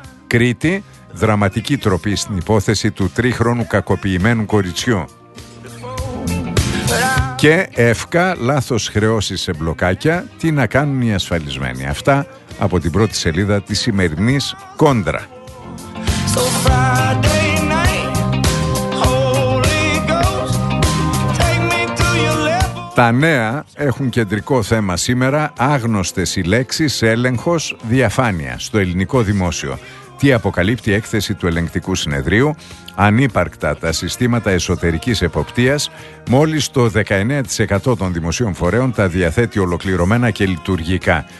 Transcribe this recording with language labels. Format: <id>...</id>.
<el>Κρήτη, δραματική τροπή στην υπόθεση του τρίχρονου κακοποιημένου κοριτσιού. Και εύκα, λάθος χρεώσεις σε μπλοκάκια, τι να κάνουν οι ασφαλισμένοι. Αυτά από την πρώτη σελίδα της σημερινής Κόντρα.</el> <en>So Friday night, Holy Ghost, take me to your level.</en> <el>Τα νέα έχουν κεντρικό θέμα σήμερα άγνωστες οι λέξεις έλεγχος διαφάνεια στο ελληνικό δημόσιο. Τι αποκαλύπτει η έκθεση του ελεγκτικού συνεδρίου? Ανύπαρκτα τα συστήματα εσωτερικής εποπτείας. Μόλις το 19% των δημοσίων φορέων τα διαθέτει ολοκληρωμένα και λειτουργικά.</el>